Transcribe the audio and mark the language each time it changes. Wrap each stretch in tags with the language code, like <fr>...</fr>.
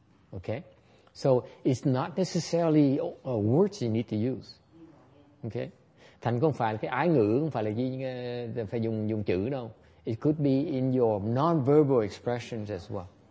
<en>Okay, so it's not necessarily words you need to use.</en> <vi>Okay, thành không phải cái ái ngữ, không phải là gì phải dùng chữ đâu.</vi> <en>It could be in your non-verbal expressions as well.</en>